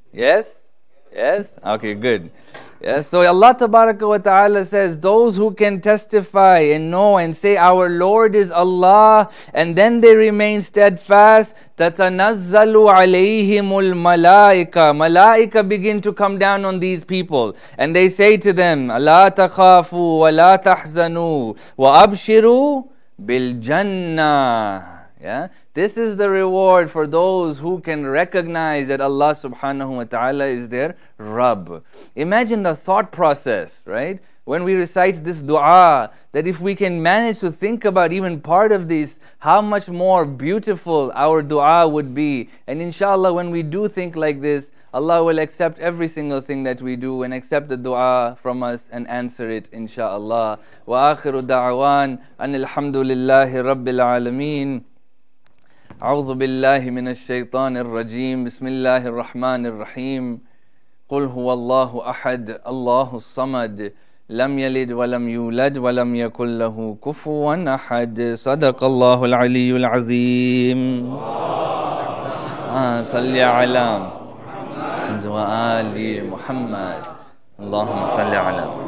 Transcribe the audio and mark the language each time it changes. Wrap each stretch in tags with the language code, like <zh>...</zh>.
<en>Yes? Yes? Okay, good. Yes? So Allah tabaraka wa ta'ala says, those who can testify and know and say our Lord is Allah, and then they remain steadfast,</en> <ar>تَتَنَزَّلُ عَلَيْهِمُ الْمَلَائِكَ.</ar> <en>Malaika begin to come down on these people. And they say to them,</en> <ar>لَا تَخَافُوا وَلَا تَحْزَنُوا وَأَبْشِرُوا بِالْجَنَّةِ.</ar> <en>Yeah? This is the reward for those who can recognize that Allah subhanahu wa ta'ala is their Rabb. Imagine the thought process, right? When we recite this dua, that if we can manage to think about even part of this, how much more beautiful our dua would be. And inshallah, when we do think like this, Allah will accept every single thing that we do and accept the dua from us and answer it, inshallah.</en> <ar>Wa akhiru da'wan anilhamdulillahi rabbil alameen. أعوذ بالله من الشيطان الرجيم بسم الله الرحمن الرحيم قل هو الله أحد الله الصمد لم يلد ولم يولد ولم يكن له كفوا أحد صدق الله العلي العظيم صل على محمد وآل محمد اللهم صل على</ar>